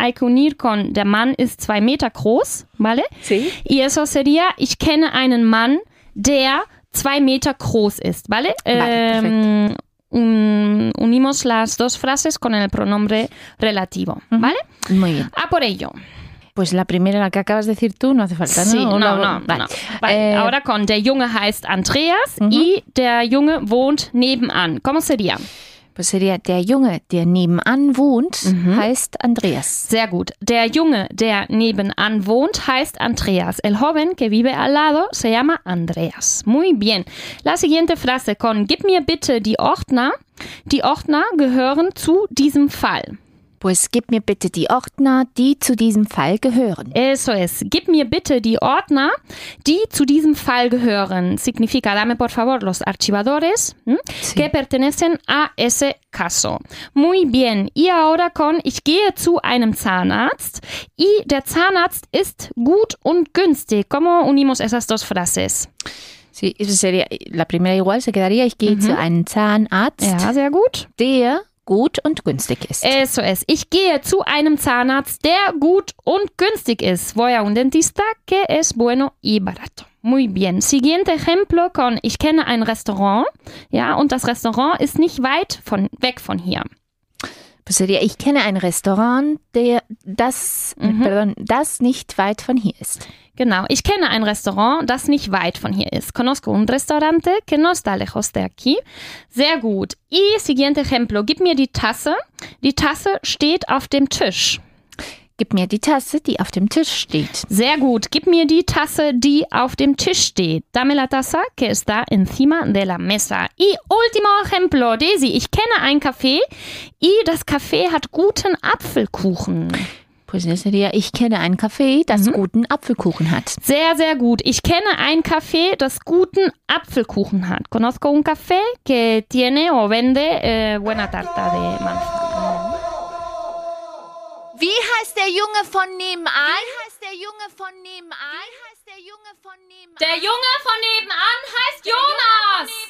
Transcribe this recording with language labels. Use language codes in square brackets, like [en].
[es] Hay que unir con [de] der Mann ist 2 Meter groß, [es] ¿vale? Sí. Y eso sería, [de] ich kenne einen Mann, der 2 Meter groß ist, ¿vale? [es] Vale, perfecto. Unimos las dos frases con el pronombre relativo, uh-huh. ¿Vale? Muy bien. A por ello. Pues la primera, la que acabas de decir tú, no hace falta, ¿no? Sí, no. Vale. No. Vale, ahora con [de] der Junge heißt Andreas, uh-huh. Y der Junge wohnt nebenan. [es] ¿Cómo sería? Pues sería, [de] der Junge, der nebenan wohnt, uh-huh. Heißt Andreas. Sehr gut. Der Junge, der nebenan wohnt, heißt Andreas. [es] El joven que vive al lado se llama Andreas. Muy bien. La siguiente frase con, [de] gib mir bitte die Ordner. Die Ordner gehören zu diesem Fall. Pues gib mir bitte die Ordner, die zu diesem Fall gehören. [es] Eso es. [de] Gib mir bitte die Ordner, die zu diesem Fall gehören. [es] Significa, dame por favor los archivadores, sí. Que pertenecen a ese caso. Muy bien. Y ahora con, [de] ich gehe zu einem Zahnarzt. Y der Zahnarzt ist gut und günstig. [es] ¿Cómo unimos esas dos frases? Sí, eso sería, la primera igual se quedaría, [de] ich gehe zu einem Zahnarzt. Ja, sehr gut. Der gut und günstig ist. [es] Eso es. [de] Ich gehe zu einem Zahnarzt, der gut und günstig ist. [es] Voy a un dentista que es bueno y barato. Muy bien. Siguiente ejemplo con, [de] ich kenne ein Restaurant. Ja, und das Restaurant ist nicht weit von, weg von hier. [es] Pues sería, [de] ich kenne ein Restaurant, das nicht weit von hier ist. Genau. Ich kenne ein Restaurant, das nicht weit von hier ist. [es] Conozco un restaurante que no está lejos de aquí. [de] Sehr gut. [es] Y siguiente ejemplo. [de] Gib mir die Tasse. Die Tasse steht auf dem Tisch. Gib mir die Tasse, die auf dem Tisch steht. Sehr gut. Gib mir die Tasse, die auf dem Tisch steht. [es] Dame la taza que está encima de la mesa. Y último ejemplo. [de] Daisy, ich kenne ein Café. Y das Café hat guten Apfelkuchen. [es] Pues eso sería, [de] ich kenne ein Café, das guten Apfelkuchen hat. Sehr, sehr gut. Ich kenne ein Café, das guten Apfelkuchen hat. [es] Conozco un café que tiene o vende buena tarta de manzana. [de] Wie heißt der Junge von nebenan? Wie heißt der Junge von nebenan? Wie heißt der Junge von nebenan? Der Junge von nebenan heißt Jonas!